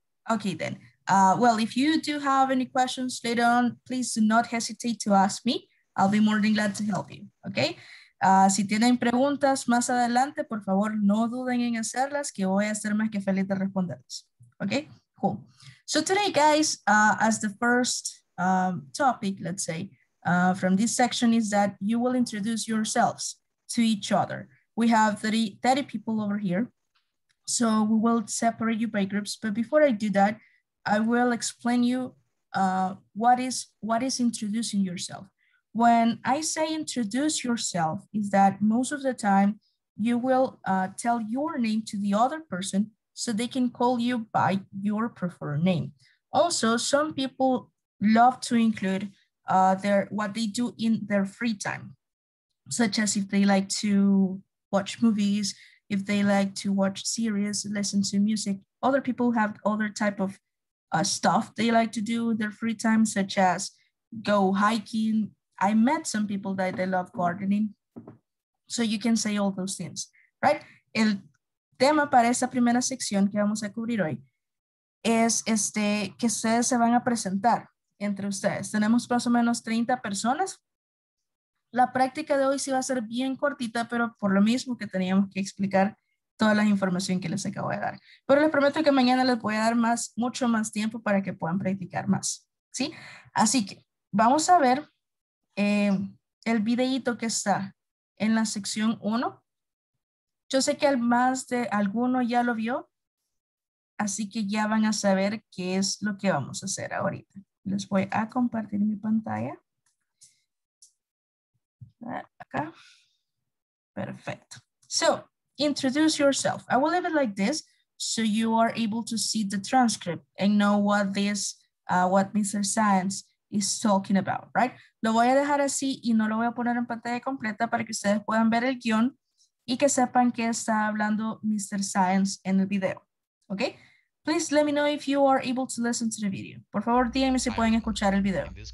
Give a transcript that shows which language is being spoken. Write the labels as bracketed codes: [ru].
[en] Okay then, well, if you do have any questions later on, please do not hesitate to ask me. I'll be more than glad to help you, okay? [es] Si tienen preguntas más adelante, por favor, no duden en hacerlas, que voy a ser más que feliz de responderlas, okay? [en] Cool. So today, guys, as the first topic, let's say, from this section is that you will introduce yourselves to each other. We have 30 people over here. So we will separate you by groups. But before I do that, I will explain you what is introducing yourself. When I say introduce yourself, is that most of the time you will tell your name to the other person so they can call you by your preferred name. Also, some people love to include what they do in their free time. such as if they like to watch movies, if they like to watch series, listen to music. Other people have other type of stuff they like to do in their free time, such as go hiking. I met some people that they love gardening. So you can say all those things, right? [es] El tema para esa primera sección que vamos a cubrir hoy es este, que ustedes se van a presentar entre ustedes. Tenemos más o menos 30 personas. La práctica de hoy sí va a ser bien cortita, pero por lo mismo que teníamos que explicar toda la información que les acabo de dar. Pero les prometo que mañana les voy a dar más, mucho más tiempo para que puedan practicar más, ¿sí? Así que vamos a ver el videíto que está en la sección 1. Yo sé que más de alguno ya lo vio, así que ya van a saber qué es lo que vamos a hacer ahorita. Les voy a compartir mi pantalla. Acá. Perfecto. [en] So, introduce yourself. I will leave it like this so you are able to see the transcript and know what this, what Mr. Science is talking about, right? [es] Lo voy a dejar así y no lo voy a poner en pantalla completa para que ustedes puedan ver el guión y que sepan qué está hablando Mr. Science en el video, okay? [en] Please let me know if you are able to listen to the video. [es] Por favor, díganme si pueden escuchar el video.